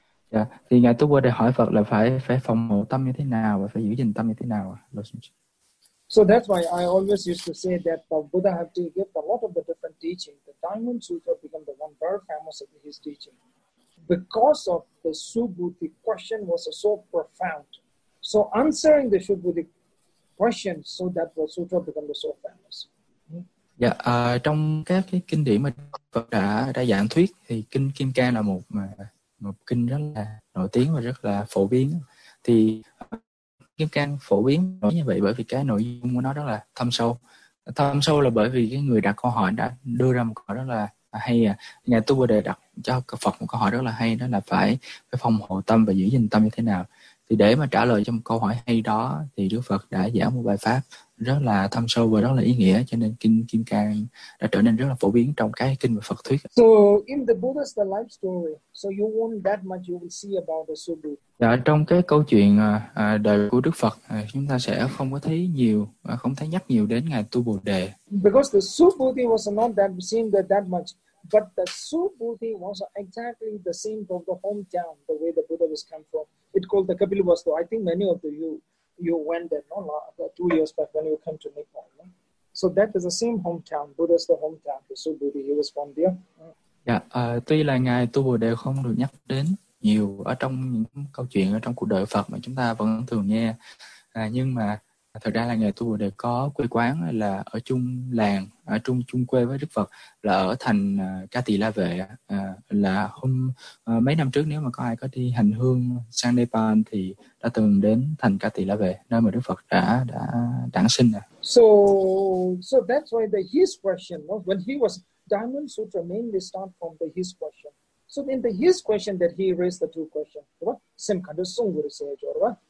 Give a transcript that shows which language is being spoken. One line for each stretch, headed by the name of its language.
Vietnamese: Yeah. Thì ngài Tu Bồ Đề hỏi Phật là phải phòng hộ tâm như thế nào và phải giữ gìn tâm như thế nào.
English: So that's why I always used to say that the Buddha have to give a lot of the different teaching. The Diamond Sutra became the one very famous of his teaching. because of the Subhuti question was so profound. So answering the Subhuti question so that the sutra becomes so famous.
Vietnamese: Dạ, trong các cái kinh điển mà Phật đã giảng thuyết thì kinh Kim Cang là một kinh rất là nổi tiếng và rất là phổ biến. Thì Kim Cang phổ biến nói như vậy bởi vì cái nội dung của nó rất là thâm sâu. Thâm sâu là bởi vì cái người đặt câu hỏi đã đưa ra một câu hỏi rất là hay. Nhà tu Bồ Đề đặt cho Phật một câu hỏi rất là hay, đó là phải phòng hộ tâm và giữ gìn tâm như thế nào. Thì để mà trả lời cho một câu hỏi hay đó thì Đức Phật đã giảng một bài pháp rất là thâm sâu và rất là ý nghĩa, cho nên kinh Kim Cang đã trở nên rất là phổ biến trong các kinh và Phật thuyết.
English: So in the Buddha's the life story, so you won't that much you will see about the Subhuti.
Vietnamese: Dạ, trong cái câu chuyện đời của Đức Phật, chúng ta sẽ không có thấy nhiều, không thấy nhắc nhiều đến ngài Tu Bồ Đề.
English: Because the Subhuti was not that seen that much, but the Subhuti was exactly the same from the hometown, the way the Buddha was come from. It called the Kapilavastu. I think many of you went there, no, about 2 years back when you came to Nepal. No? So that is the same hometown, Buddha's the hometown, the Subhuti, he was from there.
Vietnamese: Tuy là ngài Tu Bồ Đề không được nhắc đến nhiều ở trong những câu chuyện ở trong cuộc đời Phật mà chúng ta vẫn thường nghe, nhưng mà thật ra là ngài Tu Bồ Đề có quê quán là ở chung làng, ở chung chung quê với Đức Phật, là ở thành Ca Tỳ La Vệ. Là hôm mấy năm trước, nếu mà có ai có đi hành hương sang Nepal thì đã từng đến thành Ca Tỳ La Vệ, nơi mà Đức Phật đã đản sinh.
English: So that's why the his question, no? When he was Diamond Sutra mainly start from the his question. So in the his question that he raised the two questions, right? Same kind of song would say, right?